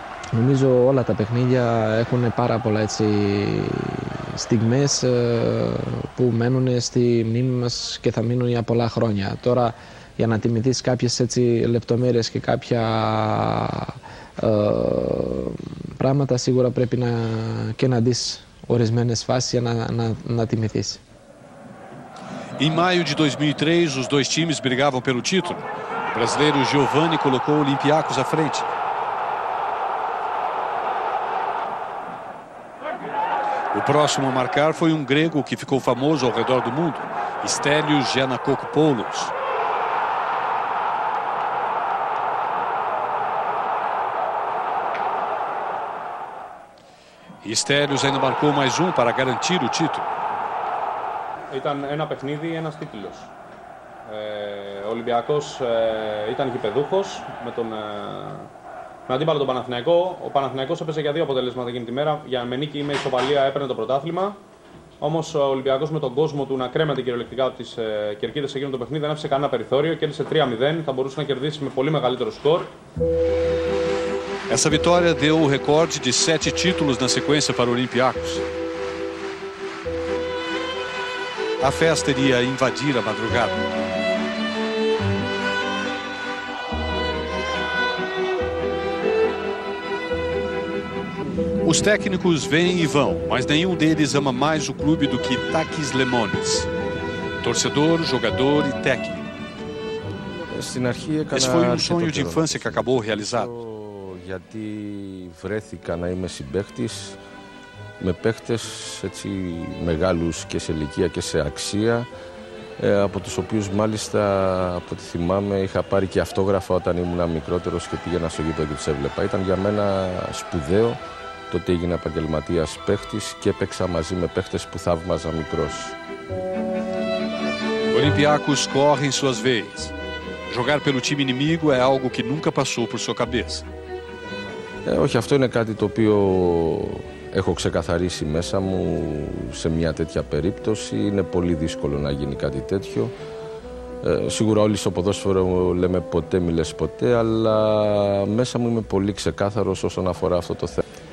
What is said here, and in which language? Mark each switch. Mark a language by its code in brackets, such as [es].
[el] Νομίζω όλα τα παιχνίδια έχουν πάρα πολλά έτσι στιγμές που μένουν στη μνήμη μας και θα μείνουν για πολλά χρόνια. Τώρα για να τιμηθείς κάποιες έτσι λεπτομέρειες και κάποια πράγματα σίγουρα πρέπει να, και να δεις ορισμένες φάσεις για να τιμηθείς. [pt] Em maio de 2003 os dois times brigavam pelo título. O brasileiro Giovanni colocou o Olympiacos à frente. O próximo a marcar foi um grego que ficou famoso ao redor do mundo, Stelios Giannakopoulos. Stelios ainda marcou mais um para garantir o título. [el] Ήταν ένα παιχνίδι, ένας τίτλος. Ο Ολυμπιακός ήταν γηπεδούχος με τον με αντίπαλο τον Παναθηναϊκό. Ο Παναθηναϊκός έπαιζε για δύο αποτελέσματα εκείνη τη μέρα. Για με νίκη ή με ισοπαλία έπαιρνε το πρωτάθλημα. Όμως ο Ολυμπιακός με τον κόσμο του να κρέμεται κυριολεκτικά από τις κερκίδες εκείνο το παιχνίδι δεν άφησε κανένα περιθώριο. Κέρδισε 3-0. Θα μπορούσε να κερδίσει με πολύ μεγαλύτερο σκορ. [pt] Essa vitória deu o recorde de 7 títulos na sequência para o Olympiacos. A festa iria invadir a madrugada. Os técnicos vêm e vão, mas nenhum deles ama mais o clube do que Takis Lemonis. Torcedor, jogador e técnico. Esse foi um sonho de infância que acabou realizado. [el] Γιατί βρέθηκα να είμαι συμπαίκτης με παίκτες έτσι μεγάλους και σε ηλικία και σε αξία από τους οποίους μάλιστα από ό,τι θυμάμαι είχα πάρει και αυτόγραφα όταν ήμουν μικρότερος και πήγαινα στο γήπεδο και τους έβλεπα. Ήταν για μένα σπουδαίο τότε έγινα επαγγελματίας παίκτης και έπαιξα μαζί με παίκτες που θαύμαζα μικρός. [pt] Ο Ολυμπιακός corre em suas veias. Jogar pelo time inimigo é algo que nunca passou por sua cabeça. [el] Όχι, αυτό είναι κάτι το οποίο έχω ξεκαθαρίσει μέσα μου σε μια τέτοια περίπτωση. Είναι πολύ δύσκολο να γίνει κάτι τέτοιο. Σίγουρα όλοι στο ποδόσφαιρο λέμε ποτέ, μιλες ποτέ, αλλά μέσα μου είμαι πολύ ξεκάθαρος όσον αφορά αυτό το θέμα.